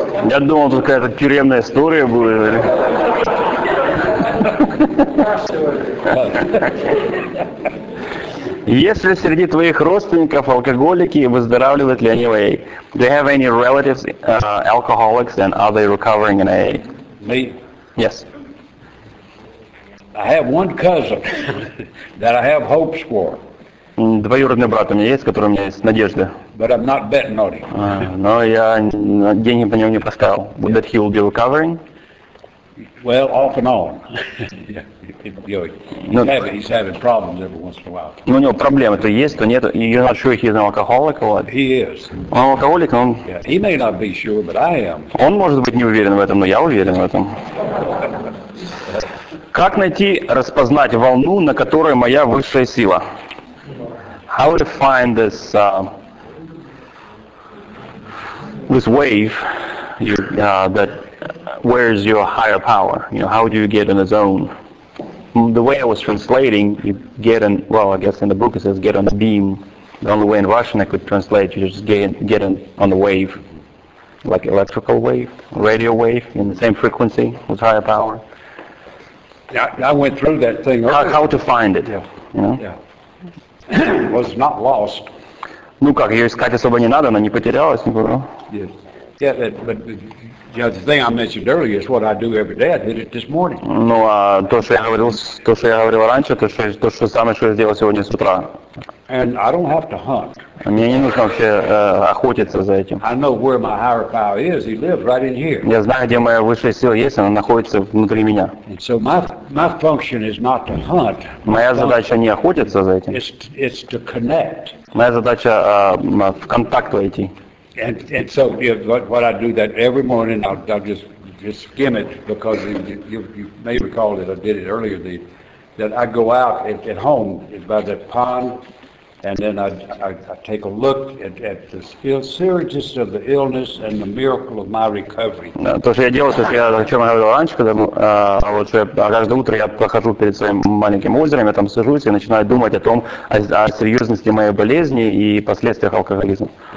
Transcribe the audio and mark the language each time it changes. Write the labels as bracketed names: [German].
[Russian] Я думал, тут какая-то тюремная история будет. Если среди твоих родственников алкоголики, выздоравливают ли они в AA? [English] Do you have any relatives alcoholics and are they recovering in AA? Me? Yes. I have one cousin that I have hopes for. [Russian] Двоюродный брат у меня есть, который у меня есть надежда. [English] But I'm not betting on him. [Russian] Но я деньги по нему не поставил. [English] Yeah. That he will be recovering? Well, off and on. He's having problems every once in a while. [Russian] Ну, у него проблемы, то есть, то нет. [English] You're not sure he's an alcoholic or what? He is. [Russian] Он алкоголик, но он... [English] Yeah. He may not be sure, but I am. [Russian] Он может быть не уверен в этом, но я уверен в этом. Как найти, распознать волну, на которой моя высшая сила? [English] How to find this this wave that where is your higher power? You know, how do you get in the zone? The way I was translating, you get in, well, I guess in the book it says get on the beam. The only way in Russian I could translate, you just get in on the wave, like electrical wave, radio wave, in the same frequency with higher power. Yeah, I went through that thing earlier. How to find it, you know? Yeah. Was not lost. [Russian] Ну как, ее искать особо не надо, она не потерялась никуда. [English] Yes. Yeah, but the thing I mentioned earlier is what I do every day. I did it this morning. [Russian] Ну, то, что я говорил раньше, то, что самое, что я сделал сегодня с утра. [English] And I don't have to hunt. [Russian] Мне не нужно вообще охотиться за этим. [English] I know where my higher power is. He lives right in here. [Russian] Я знаю, где моя высшая сила есть. Она находится внутри меня. [English] And so my function is not to hunt. [Russian] Моя задача не охотиться за этим. [English] It's to connect. [Russian] Моя задача в контакт войти. [English] And so what I do that every morning, I'll just skim it because you may recall that I did it earlier. That I go out at home by that pond. And then I take a look at the seriousness of the illness and the miracle of my recovery. [Russian] То, что я делал, то, о чем я говорил раньше, когда вот каждое утро я прохожу перед своим маленьким озером, я там сажусь и начинаю думать о том, о серьезности моей болезни и последствиях алкоголизма.